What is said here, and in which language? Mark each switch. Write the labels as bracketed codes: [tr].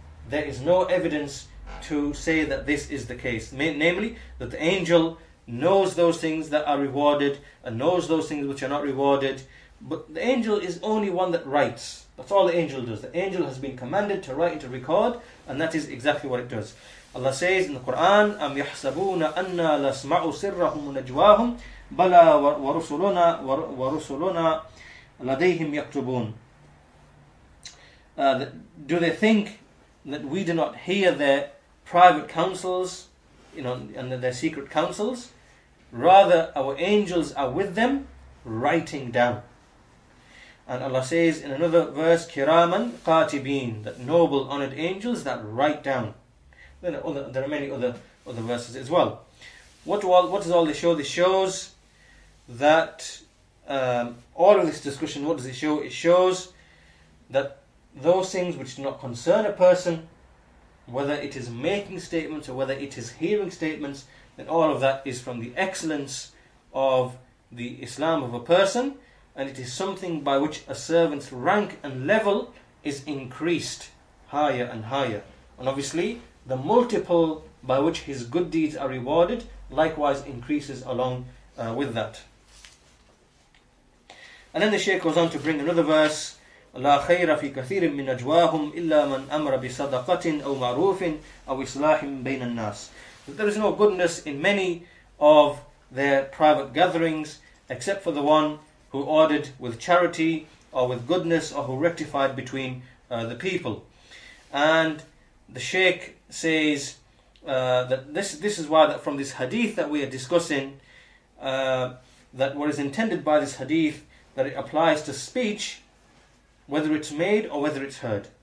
[en] There is no evidence to say that this is the case. Namely, that the angel knows those things that are rewarded and knows those things which are not rewarded. But the angel is only one that writes. That's all the angel does. The angel has been commanded to write and to record, and that is exactly what it does. [ar] Allah says in the Quran, أَمْ يَحْسَبُونَ أَنَّا لَسْمَعُوا سِرَّهُمْ وَنَجْوَاهُمْ بَلَا وَرُسُلُنَا لَدَيْهِمْ يَكْتُبُونَ. [en] Do they think that we do not hear their private counsels, you know, and their secret counsels? Rather, our angels are with them writing down. And Allah says in another verse, [ar] kiraman qatibin, [en] that noble honored angels that write down. There are many other verses as well. What does all this show? This shows that all of this discussion, what does it show? It shows that those things which do not concern a person, whether it is making statements or whether it is hearing statements, then all of that is from the excellence of the Islam of a person, and it is something by which a servant's rank and level is increased higher and higher. And obviously, the multiple by which his good deeds are rewarded likewise increases along with that. And then the Shaykh goes on to bring another verse. [ar] لا خير في كثير من أجواهم إلا من أمر بصدقة أو معروف أو إصلاح بين الناس. [en] There is no goodness in many of their private gatherings except for the one who ordered with charity or with goodness or who rectified between the people. And the Shaykh says that this is why, that from this hadith that we are discussing, that what is intended by this hadith, that it applies to speech, whether it's made or whether it's heard.